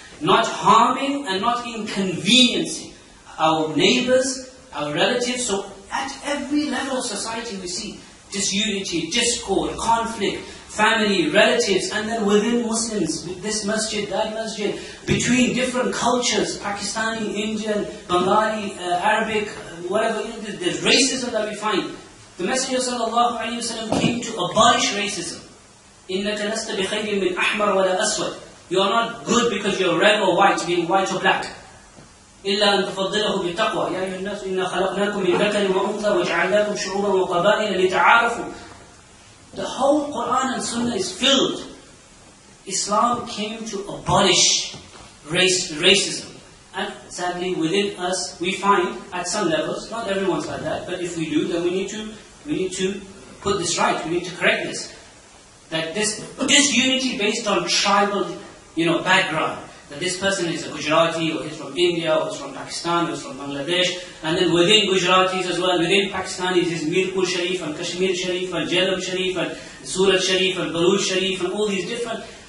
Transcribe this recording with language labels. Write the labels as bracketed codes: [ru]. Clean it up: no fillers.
[en] Not harming and not inconveniencing our neighbors, our relatives, so at every level of society we see disunity, discord, conflict, family, relatives, and then within Muslims, this masjid, that masjid, between different cultures, Pakistani, Indian, Bengali, Arabic, whatever, you know, there's racism that we find. The Messenger sallallahu alayhi wa sallam came to abolish racism. [ar] إِنَّكَ لَسْتَ بِخَيْرٍ مِنْ أَحْمَرَ وَلَا أَسْوَدٍ [en] You are not good because you're red or white, being white or black. [ar] إِلَّا أَن تَفَضِّلَهُ بِالتَّقْوَى يَا أَيُّهَا النَّاسُ إِنَّا خَلَقْنَاكُمْ مِنْ ذَكَرٍ وَأُنْثَى وَجَعَلْنَاكُمْ شُعُوبًا وَقَبَائِلَ لِتَعَارَفُوا [en] The whole Quran and Sunnah is filled. Islam came to abolish racism. And sadly, within us, we find at some levels, not everyone's like that, but if we do, then we need to put this right, we need to correct this. That this unity based on tribal, you know, background, that this person is a Gujarati, or he's from India, or he's from Pakistan, or he's from Bangladesh, and then within Gujaratis as well, within Pakistanis, is Mirpur Sharif, and Kashmir Sharif, and Jhelum Sharif, and Surat Sharif, and Balooj Sharif, and all these different